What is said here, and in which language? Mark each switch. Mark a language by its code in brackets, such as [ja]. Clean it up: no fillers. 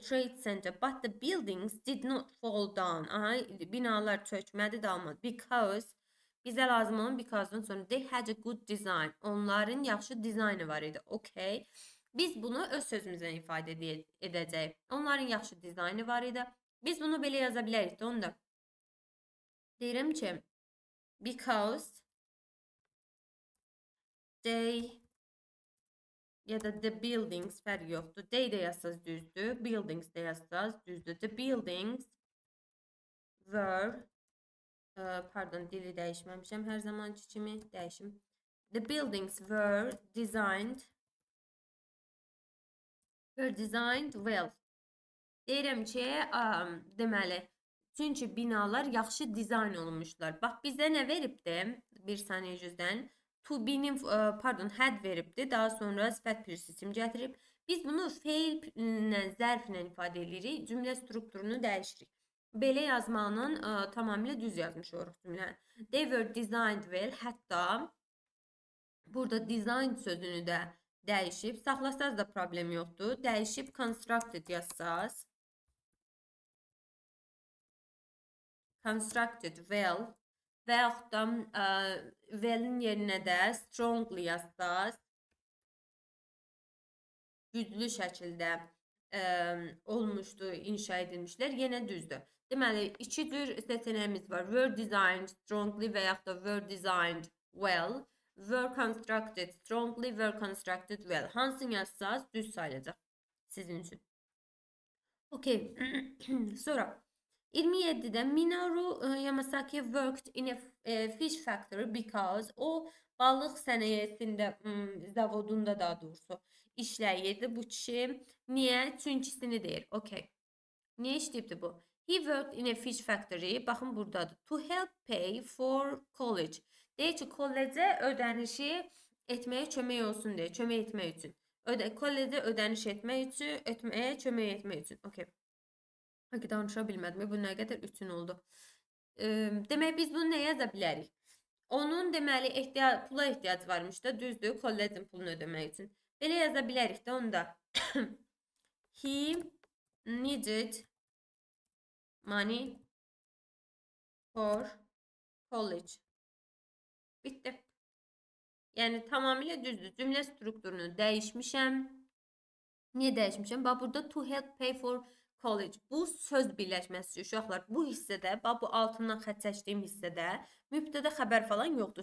[en] Trade Center, but the buildings did not fall down. [az] Aha, binalar çökmədi, dalmadı, because... Bizə lazım olan because-dan sonra [en] they had a good design. [az] Onların yaxşı dizaynı var idi. Okay. Biz bunu öz sözümüzlə ifadə edəcək. Onların yaxşı dizaynı var idi. Biz bunu belə yaza bilərik də onda. Deyirəm ki, [en] because they [az] ya da [en] the buildings [az] fərq yoxdur. They də yazsaz düzdür. Buildings də yazsaz düzdür. [en] The buildings were [az] pardon, dili dəyişməmişəm hər zamanki kimi. Dəyişim. [en] The buildings were designed well. [az] Deyirəm ki, deməli, çünki binalar yaxşı dizayn olunmuşlar. Bax, bizə nə veribdi? Bir saniyə cüzdən. To be, pardon, had veribdi. Daha sonra sifət prisisim gətirib. Biz bunu fail ilə, zərf ilə ifadə edirik. Cümlə strukturunu dəyişirik. Belə yazmanın tamamilə düz yazmış oruq cümlə. [en] They were designed well. [az] Hətta burada design sözünü də dəyişib. Saxlasaz da problem yoxdur. Dəyişib constructed yazsaz. [en] Constructed well. [az] Və yaxud da well-in yerinə də strongly yazsaz. Güclü şəkildə olmuşdu, inşa edilmişlər. Yenə düzdür. Deməli, iki cür seçeneğimiz var. [en] Were designed strongly [az] və yaxud da [en] were designed well. Were constructed strongly, were constructed well. [az] Hansını yazsaz düz sayılacaq sizin üçün. Okey. Sonra, 27-də [en] Minoru Yamasaki worked in a fish factory because [az] o balıq sənayesində, zavodunda daha doğrusu işləyirdi bu kişi. Niyə? Çünkisini deyir. Okey. Niyə işləyibdi bu? [en] He worked in a fish factory. [az] Baxın, buradadır. [en] To help pay for college. [az] Deyir ki, kollecə ödənişi etməyə kömək olsun deyir. Kömək etmək üçün. Kollecə ödəniş etmək üçün, etməyə kömək etmək üçün. Okey. Hakkı danışa bilmədim. Bu nə qədər üçün oldu. Demək, biz bunu nə yaza bilərik? Onun, deməli, pula ehtiyac varmış da, düzdür, kollecin pulunu ödəmək üçün. Belə yaza bilərik də onda. [en] He needed money for college. [az] Bitti. Yəni, tamamilə düzdür. Cümlə strukturunu dəyişmişəm. Niyə dəyişmişəm? Bax, burada [en] to help pay for [az] College bu söz birləşməsidir uşaqlar. Bu hissədə, bu altından xətt çəkdiyim hissədə mübtədə xəbər falan yoxdur.